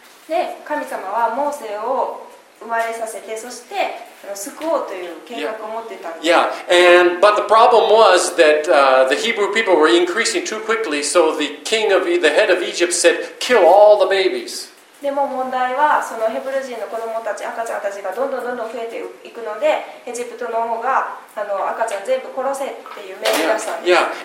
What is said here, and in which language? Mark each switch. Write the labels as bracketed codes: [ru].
[en] And God caused Moses to be born to save them. [ja] 生まれさせて、そして救おうという計画を持ってたんです。 [en] Yeah, and but the problem was that the Hebrew people were increasing too quickly, so the king of the head of Egypt said, "Kill all the babies." [ja] でも問題はそのヘブル人の子供たち、赤ちゃんたちがどんどんどんどん増えていくので、エジプトの方が赤ちゃん全部殺せっていう命令を出したんです。